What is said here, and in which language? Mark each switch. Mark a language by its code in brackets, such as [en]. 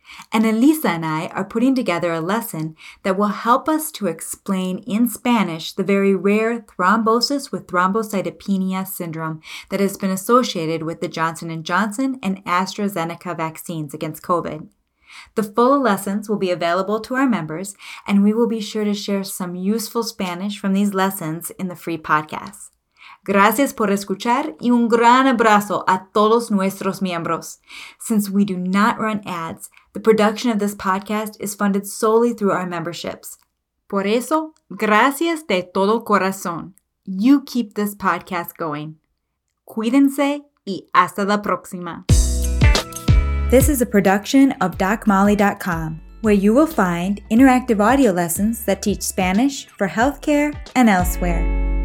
[en] And Elisa and I are putting together a lesson that will help us to explain in Spanish the very rare thrombosis with thrombocytopenia syndrome that has been associated with the Johnson & Johnson and AstraZeneca vaccines against COVID. The full lessons will be available to our members, and we will be sure to share some useful Spanish from these lessons in the free podcast. [es] Gracias por escuchar y un gran abrazo a todos nuestros miembros. [en] Since we do not run ads, the production of this podcast is funded solely through our memberships. [es] Por eso, gracias de todo corazón. [en] You keep this podcast going. [es] Cuídense y hasta la próxima. [en] This is a production of DocMolly.com, where you will find interactive audio lessons that teach Spanish for healthcare and elsewhere.